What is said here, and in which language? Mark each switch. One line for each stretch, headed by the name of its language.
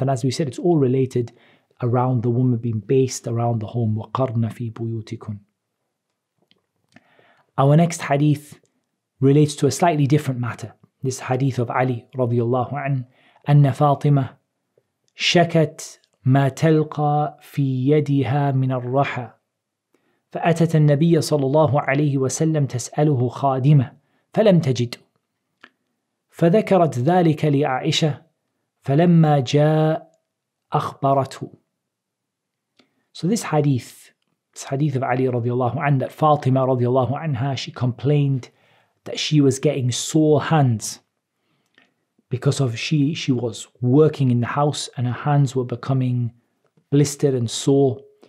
English: And as we said, it's all related around the woman being based around the home.
Arabic: وَقَرْنَ فِي بُيُوتِكُنْ.
English: Our next hadith relates to a slightly different matter. This hadith of Ali radiallahu anhu,
Arabic: أن فاطمة شكت ما تلقى في يدها من الرحى فأتت النبي صلى الله عليه وسلم تسأله خادمة فلم تجد فذكرت ذلك لعائشة فلما جاء أخبرته.
English: So this hadith of Ali radiallahu anhu, that Fatima radiallahu anha, she complained that she was getting sore hands because of she was working in the house and her hands were becoming blistered and sore.